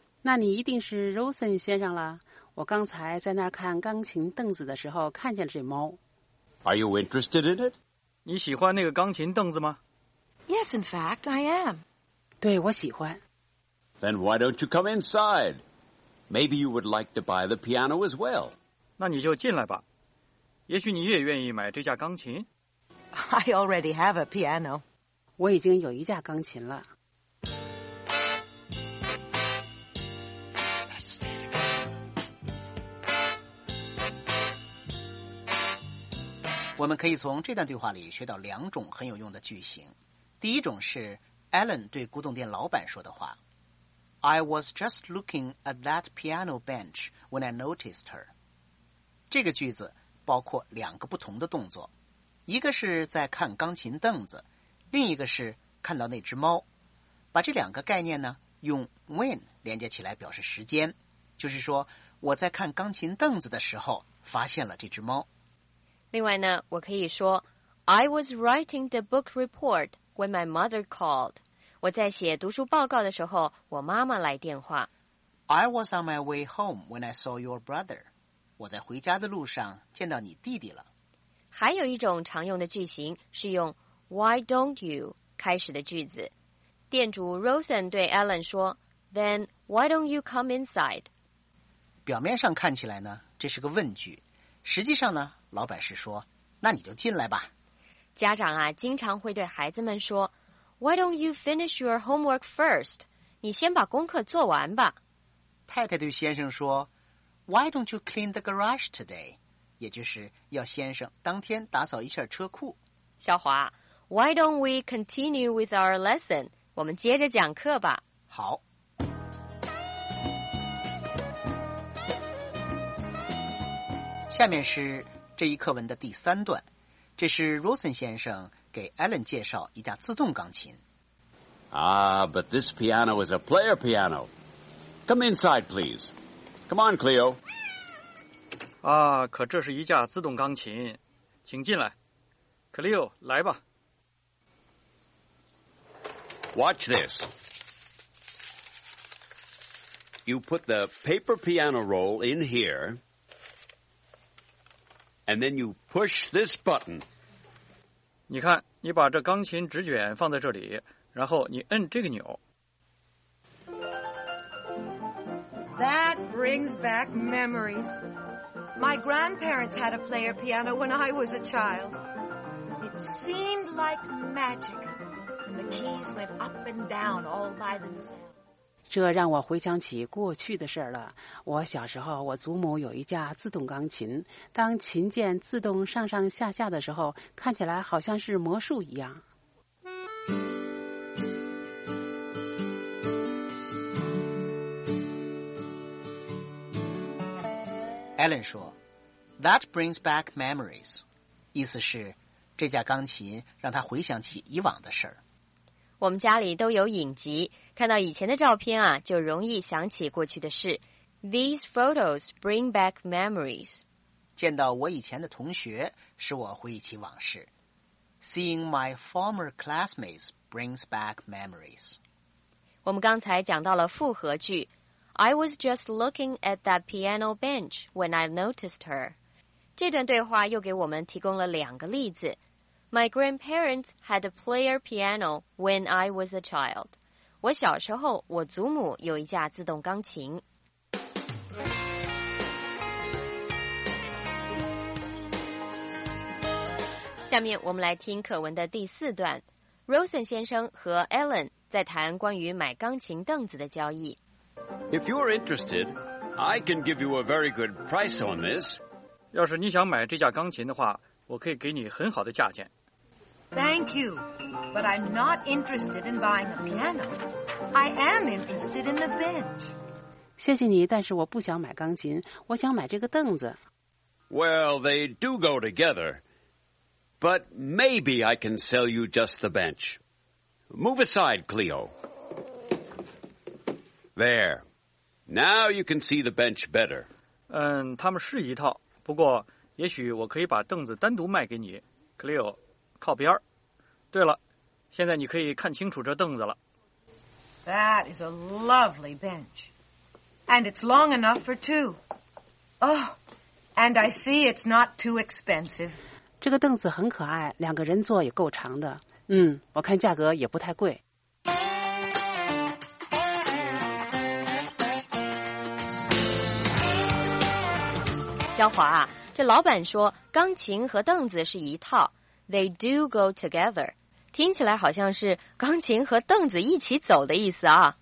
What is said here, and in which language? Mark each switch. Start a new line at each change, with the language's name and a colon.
Chinese: 那你一定是 Rosen 先生了。我刚才在那儿看钢琴凳子的时候看见了这猫。
English: Are you interested in it?
Chinese: 你喜欢那个钢琴凳子吗？
English: Yes, in fact, I am.
Chinese: 对，我喜欢。
English: Then why don't you come inside? Maybe you would like to buy the piano as well.
Chinese: 那你就进来吧。也许你也愿意买这架钢琴。
English: I already have a piano.
Chinese: 我已经有一架钢琴了。我们可以从这段对话里学到两种很有用的句型。第一种是 Alan 对古董店老板说的话。
English: I was just looking at that piano bench when I noticed her.
Chinese: 这个句子包括两个不同的动作，一个是在看钢琴凳子，另一个是看到那只猫。把这两个概念呢，用 when 连接起来表示时间，就是说我在看钢琴凳子的时候发现了这只猫。另外呢，我可以说
English: I was writing the book report when my mother called.
Chinese: 我在写读书报告的时候，我妈妈来电话。
English: I was on my way home when I saw your brother.
Chinese: 我在回家的路上见到你弟弟了。还有一种常用的句型是用
English: Why don't you
Chinese: 开始的句子。店主 Rosen 对 Alan 说
English: Then why don't you come inside?
Chinese: 表面上看起来呢，这是个问句。实际上呢，老板是说，那你就进来吧。家长啊，经常会对孩子们说
English: Why don't you finish your homework first?
Chinese: 你先把功课做完吧。太太对先生说
English: Why don't you clean the garage today?
Chinese: 也就是要先生当天打扫一下车库。
English: 小华 Why don't we continue with our lesson?
Chinese: 我们接着讲课吧。好。下面是这一课文的第三段，这是 Rosen 先生给 Alan 介绍一架自动钢琴。
English: Ah, but this piano is a player piano. Come inside, please. Come on, Cleo.
Chinese: 啊，可这是一架自动钢琴，请进来 ，Cleo， 来吧。
English: Watch this. You put the paper piano roll in here. And then you push this button.
Chinese: 你看，你把这钢琴纸卷放在这里，然后你摁这个钮。
English: That brings back memories. My grandparents had a player piano when I was a child. It seemed like magic, and the keys went up and down all by themselves.
Chinese: 这让我回想起过去的事了。我小时候，我祖母有一架自动钢琴，当琴键自动上上下下的时候，看起来好像是魔术一样。 Alan 说 ，
English: That brings back memories，
Chinese: 意思是这架钢琴让他回想起以往的事儿。我们家里都有影集，看到以前的照片啊，就容易想起过去的事。
English: These photos bring back memories.
Chinese: 见到我以前的同学，使我回忆起往事。
English: Seeing my former classmates brings back memories.
Chinese: 我们刚才讲到了复合句。
English: I was just looking at that piano bench when I noticed her.
Chinese: 这段对话又给我们提供了两个例子。
English: My grandparents had a player piano when I was a child.
Chinese: 我小时候，我祖母有一架自动钢琴。下面我们来听课文的第四段。Rosen 先生和 Alan 在谈关于买钢琴凳子的交易。
English: If you are interested, I can give you a very good price on this.
Chinese: 要是你想买这架钢琴的话，我可以给你很好的价钱。
English: Thank you, but I'm not interested in buying a piano. I am interested in the bench.
Chinese: 谢谢你，但是我不想买钢琴，我想买这个凳子。
English: Well, they do go together, but maybe I can sell you just the bench. Move aside, Cleo. There. Now you can see the bench better.
Chinese: 他们是一套，不不过也许我可以把凳子单独卖给你，克利奥，靠边。对了，现在你可以看清楚这凳子了。
English: That is a lovely bench. And it's long enough for two. Oh, and I see it's not too expensive.
Chinese: 这个凳子很可爱，两个人坐也够长的。我看价格也不太贵。小华，这老板说钢琴和凳子是一套 ，
English: they do go together，
Chinese: 听起来好像是钢琴和凳子一起走的意思啊。